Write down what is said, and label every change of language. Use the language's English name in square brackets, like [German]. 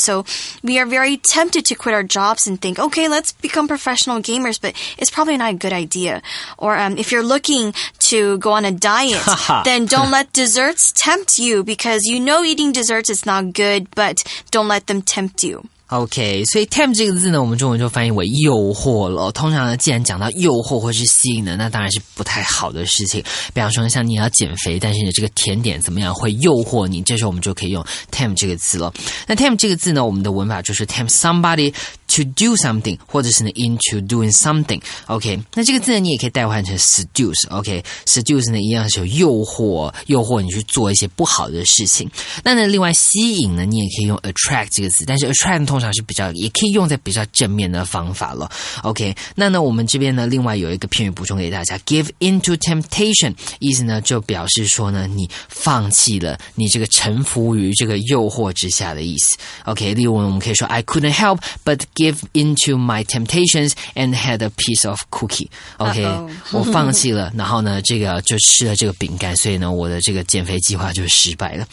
[English] So we are very tempted to quit our jobs and think, okay, let's become professional gamers, but it's probably not a good idea. Or if you're looking to go on a diet, then don't let desserts tempt you, because you know eating desserts is not good, but don't let them tempt you. [Chinese] OK, 所以 tempt 这个字呢我们中文就翻译为诱惑了。通常呢既然讲到诱惑或是吸引的，那当然是不太好的事情。比方说像你要减肥，但是你这个甜点怎么样会诱惑你，这时候我们就可以用 tempt 这个字了。那 tempt 这个字呢我们的文法就是 [English] tempt somebody to do something, [Chinese] 或者是 [English] into doing something. [Chinese] OK, 那这个字呢你也可以代换成 seduce. OK, seduce 呢一样是有诱惑，诱惑你去做一些不好的事情。那呢另外吸引呢你也可以用 attract 这个字，但是 attract 通常是比较，也可以用在比较正面的方法了。 OK, 那呢我们这边呢另外有一个片语补充给大家， [English] give into temptation, [Chinese] 意思呢就表示说呢你放弃了，你这个臣服于这个诱惑之下的意思。 OK, 例如我们可以说 [English] I couldn't help but give into my temptations and had a piece of cookie. [Chinese] OK, 我放弃了，然后呢这个就吃了这个饼干，所以呢我的这个减肥计划就失败了。